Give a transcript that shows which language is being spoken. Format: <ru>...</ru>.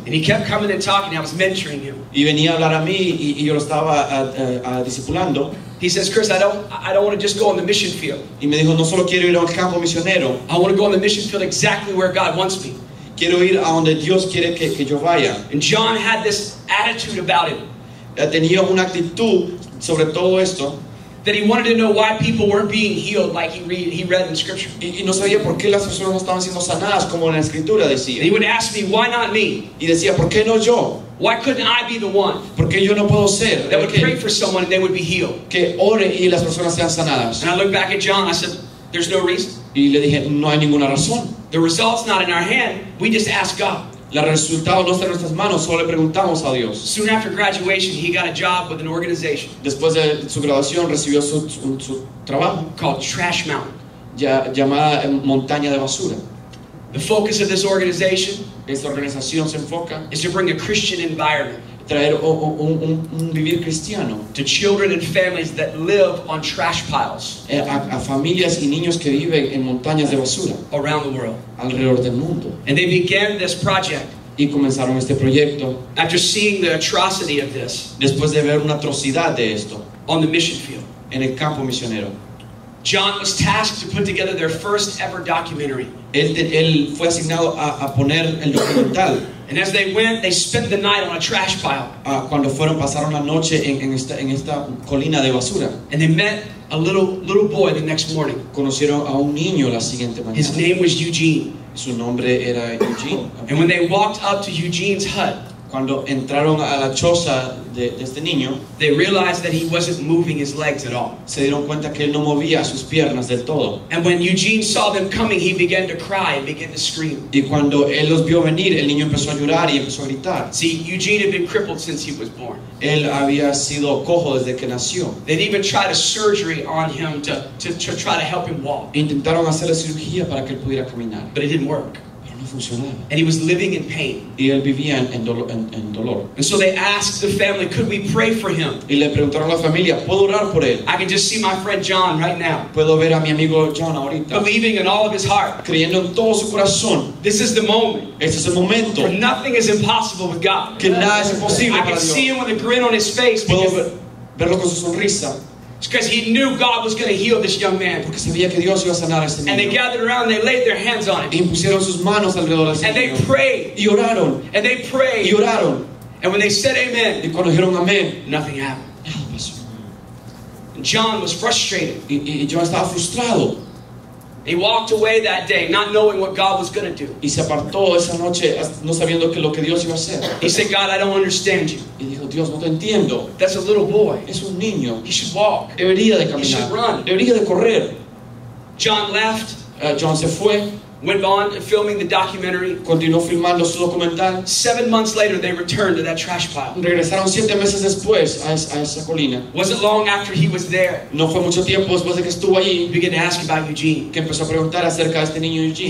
<en>And he kept coming and talking. I was mentoring him.</en> <es>Y venía a hablar a mí y yo lo estaba discipulando.</es> <en>He says, "Chris, I don't want to just go on the mission field."</en> <es>Y me dijo, "No solo quiero ir al campo misionero.</es> <en>I want to go on the mission field exactly where God wants me."</en> <es>Quiero ir a donde Dios quiere que yo vaya.</es> <en>And John had this attitude about it.</en> <es>Tenía una actitud sobre todo esto.</es> <en>That he wanted to know why people weren't being healed like he read in scripture.</en> <es>Y no sabía por qué las personas no estaban siendo sanadas como en la escritura decía.</es> <en>He would ask me, why not me?</en> <es>Y decía, ¿por qué no yo?</es> <en>Why couldn't I be the one?</en> <es>Porque yo no puedo ser.</es> <en>That would pray for someone and they would be healed.</en> <es>Que ore y las personas sean sanadas.</es> <en>And I looked back at John, I said, there's no reason.</en> <es>Y le dije, no hay ninguna razón.</es> <en>The result's not in our hand, we just ask God.</en> <es>El resultado no está en nuestras manos, solo le preguntamos a Dios.</es> <en>Soon after graduation, he got a job with an organization.</en> <es>Después de su graduación, recibió su trabajo.</es> <en>Called Trash Mountain.</en> <es>Llamada Montaña de Basura.</es> <en>The focus of this organization.</en> <es>Esta organización se enfoca.</es> <en>Is to bring a Christian environment.</en> <es>Traer un vivir cristiano.</es> <en>To children and families that live on trash piles.</en> <es>A familias y niños que viven en montañas de basura.</es> <en>Around the world.</en> <es>Alrededor del mundo.</es> <en>And they began this project.</en> <es>Y comenzaron este proyecto.</es> <en>After seeing the atrocity of this.</en> <es>Después de ver una atrocidad de esto.</es> <en>On the mission field.</en> <es>En el campo misionero.</es> <en>John was tasked to put together their first ever documentary.</en> <es>Él fue asignado a poner el documental.</es> <en>And as they went, they spent the night on a trash pile.</en> <es>Cuando fueron, pasaron la noche en esta colina de basura.</es> <en>And they met a little boy the next morning.</en> <es>Conocieron a un niño la siguiente mañana.</es> <en>His name was Eugene.</en> <es>Su nombre era Eugene.</es> <en>And when they walked up to Eugene's hut,</en> <es>cuando entraron a la choza de este niño,</es> <en>they realized that he wasn't moving his legs at all.</en> <es>Se dieron cuenta que él no movía sus piernas del todo.</es> <en>And when Eugene saw them coming, he began to cry and began to scream.</en> <es>Y cuando él los vio venir, el niño empezó a llorar y empezó a gritar.</es> <en>See, Eugene had been crippled since he was born.</en> <es>Él había sido cojo desde que nació.</es> <en>They'd even tried a surgery on him to try to help him walk.</en> <es>Intentaron hacer la cirugía para que él pudiera caminar.</es> <en>But it didn't work. And he was living in pain.</en> <es>Y él vivía en dolor.</es> <en>And so they asked the family, could we pray for him?</en> <es>Y le preguntaron a la familia, ¿puedo orar por él?</es> <en>I can just see my friend John right now.</en> <es>Puedo ver a mi amigo John ahorita.</es> <en>Believing in all of his heart.</en> <es>Creyendo en todo su corazón.</es> <en>This is the moment.</en> <es>Este es el momento.</es> <en>For nothing is impossible with God.</en> <es>Que nada es imposible</es> <en>I can</en> <es>Dios.</es> <en>See him with a grin on his face.</en> <es>Puedo verlo con su sonrisa.</es> <en>Because he knew God was going to heal this young man.</en> <es>Porque sabía que Dios iba a sanar a este niño.</es> <en>And they gathered around and they laid their hands on him.</en> <es>Y pusieron sus manos alrededor de este</es> <en>and they</en> <es>niño.</es> <en>Prayed.</en> <es>Y oraron.</es> <en>And they prayed.</en> <es>Y oraron.</es> <en>And when they said amen.</en> <es>Y cuando dijeron amén.</es> <en>Nothing happened.</en> <es>Nada pasó.</es> <en>And John was frustrated.</en> <es>Y John estaba frustrado.</es> <en>He walked away that day not knowing what God was going to do.</en> <es>Y se apartó esa noche no sabiendo que lo que Dios iba a hacer.</es> <en>He said, God, I don't understand you.</en> <es>Y dijo, Dios, no te entiendo.</es> <en>That's a little boy.</en> <es>Es un niño.</es> <en>He should walk.</en> <es>Debería de caminar.</es> <en>He should run.</en> <es>Debería de correr.</es> <en>John left.</en> <es>John se fue.</es> <en>Went on filming the documentary.</en> <es>Continuó filmando su documental.</es> <en>7 months later, they returned to that trash pile.</en> <es>Regresaron 7 meses después a esa colina.</es> <en>Wasn't long after he was there.</en> <es>No fue mucho tiempo después de que estuvo allí.</es> <en>Began to ask about Eugene.</en> <es>Que empezó a preguntar acerca de este niño Eugene.</es>